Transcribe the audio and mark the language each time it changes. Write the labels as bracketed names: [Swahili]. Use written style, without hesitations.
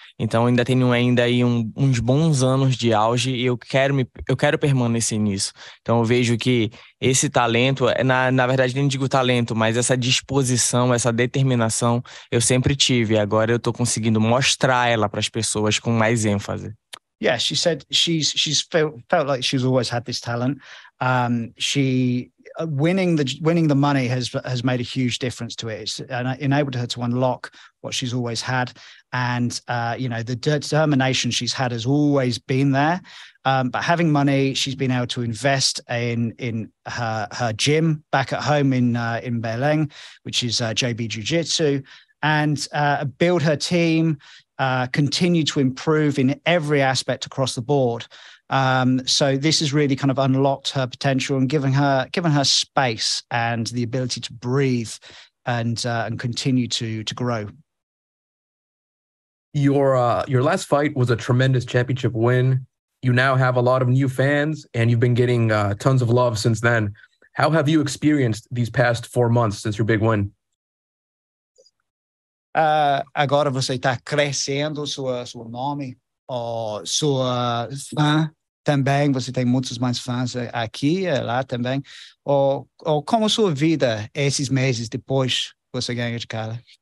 [Portuguese] Então, ainda tenho ainda aí uns bons anos de auge e eu quero permanecer nisso. Então, eu vejo que esse talento, na verdade, nem digo talento, mas essa disposição, essa determinação, eu sempre tive. Agora eu estou conseguindo mostrar ela para as pessoas com mais ênfase. [English] Yeah, she said she's felt like she's always had this talent. Winning the money has made a huge difference to it. It's enabled her to unlock what she's always had, and you know, the determination she's had has always been there. But having money, she's been able to invest in her gym back at home in Beleng, which is JB Jiu-Jitsu, and build her team. Continue to improve in every aspect across the board. So this has really kind of unlocked her potential and given her space and the ability to breathe and continue to grow. Your last fight was a tremendous championship win. You now have a lot of new fans and you've been getting tons of love since then. How have you experienced these past 4 months since your big win? [Portuguese] Agora você está crescendo seu nome, sua fã também, você tem muitos mais fãs aqui e lá também. Como sua vida esses meses depois você ganha de cara?